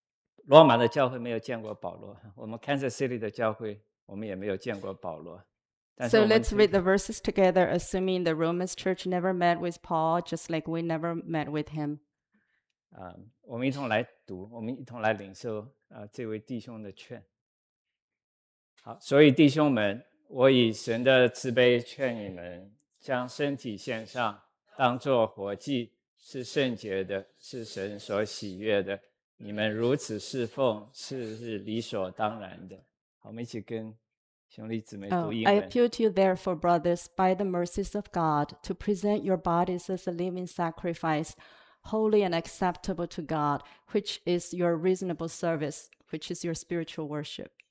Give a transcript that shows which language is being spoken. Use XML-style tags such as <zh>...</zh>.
<zh>好，我们一同再来读这节圣经。我们再读一次中文和英文。我们就好像说，罗马的教会没有见过保罗，我们 Kansas City的教会，我们也没有见过保罗。</zh> <en>So let's read the verses together, assuming the Roman's church never met with Paul, just like we never met with him.</en> <zh>我们一同来读，我们一同来领受这位弟兄的劝。好，所以弟兄们，我以神的慈悲劝你们，将身体献上，当作活祭，是圣洁的，是神所喜悦的。你们如此侍奉，是理所当然的。好，我们一起跟。</zh> <en>I appeal to you therefore, brothers, by the mercies of God, to present your bodies as a living sacrifice, holy and acceptable to God, which is your reasonable service, which is your spiritual worship.</en>